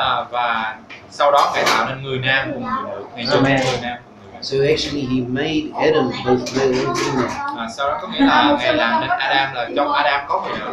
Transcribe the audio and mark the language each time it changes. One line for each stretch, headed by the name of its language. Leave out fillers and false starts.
Vietnamese: Và sau đó Ngài tạo nên người nam cùng người nữ. Ngài cho nên người nam.
English: So actually, he made Adam both male and female.
Vietnamese: Sau đó có nghĩa là Ngài làm nên Adam là trong Adam có người nữ.